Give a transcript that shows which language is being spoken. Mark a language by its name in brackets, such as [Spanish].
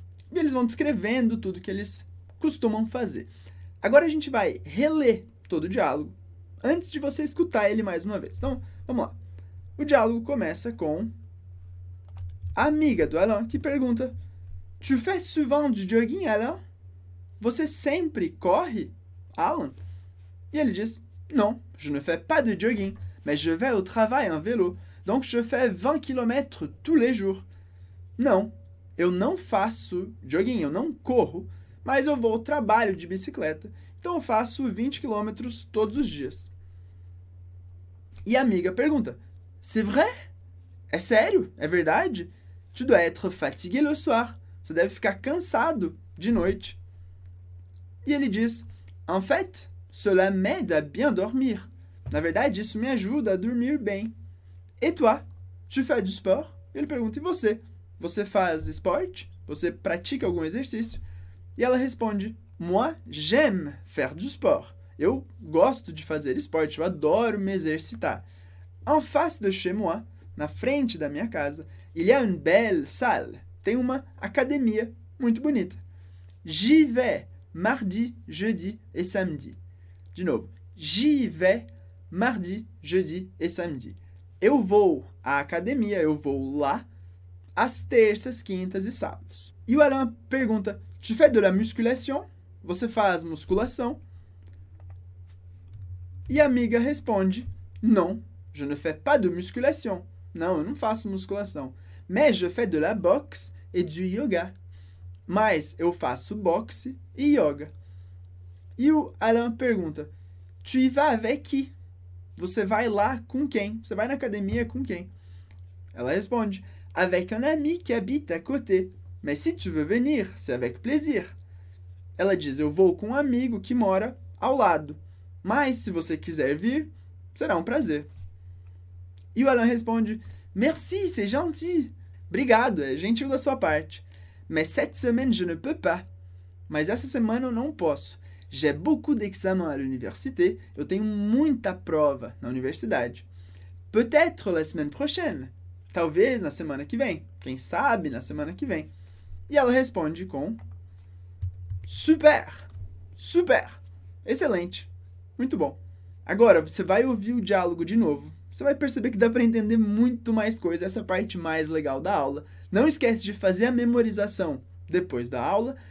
[Portuguese] E eles vão descrevendo tudo que eles costumam fazer. Agora a gente vai reler todo o diálogo antes de você escutar ele mais uma vez. Então, vamos lá. O diálogo começa com a amiga do Alain que pergunta: [French] tu fais souvent du jogging, Alain? [Portuguese] Você sempre corre, Alain? E ele diz, [French] non, je ne fais pas de jogging, mais je vais au travail en vélo, donc je fais 20 km tous les jours. [Portuguese] Não, eu não faço jogging, eu não corro, mas eu vou ao trabalho de bicicleta, então eu faço 20 km todos os dias. E a amiga pergunta, [French] c'est vrai? [Portuguese] É sério? É verdade? [French] Tu dois être fatigué le soir. [Portuguese] Você deve ficar cansado de noite. E ele diz, [French] en fait, cela m'aide à bien dormir. [Portuguese] Na verdade, isso me ajuda a dormir bem. [French] Et toi, tu fais du sport? [Portuguese] Ele pergunta, e você? Você faz esporte? Você pratica algum exercício? E ela responde, [French] moi, j'aime faire du sport. [Portuguese] Eu gosto de fazer esporte, eu adoro me exercitar. [French] En face de chez moi, [Portuguese] na frente da minha casa, [French] il y a une belle salle. [Portuguese] Tem uma academia muito bonita. [French] J'y vais mardi, jeudi et samedi. [Portuguese] De novo. [French] J'y vais mardi, jeudi et samedi. [Portuguese] Eu vou à academia, eu vou lá às terças, quintas e sábados. E o Alain pergunta, [French] tu fais de la musculation? [Portuguese] Você faz musculação? E a amiga responde, [French] non, je ne fais pas de musculation. [Portuguese] Não, eu não faço musculação. [French] Mais je fais de la boxe e du yoga. [Portuguese] Mas eu faço boxe e yoga. E o Alain pergunta, [French] tu y vas avec qui? [Portuguese] Você vai lá com quem? Você vai na academia com quem? Ela responde, [French] avec un ami qui habite à côté. Mais si tu veux venir, c'est avec plaisir. [Portuguese] Ela diz, eu vou com um amigo que mora ao lado. Mas se você quiser vir, será um prazer. E o Alain responde, [French] merci, c'est gentil. [Portuguese] Obrigado, é gentil da sua parte. [French] Mais cette semaine, je ne peux pas. [Portuguese] Mas essa semana eu não posso. [French] J'ai beaucoup d'examens à l'université. [Portuguese] Eu tenho muita prova na universidade. [French] Peut-être la semaine prochaine. [Portuguese] Talvez na semana que vem. Quem sabe na semana que vem. E ela responde com... Super! Super! Excelente! Muito bom. Agora, você vai ouvir o diálogo de novo. Você vai perceber que dá para entender muito mais coisa. Essa parte mais legal da aula. Não esquece de fazer a memorização depois da aula.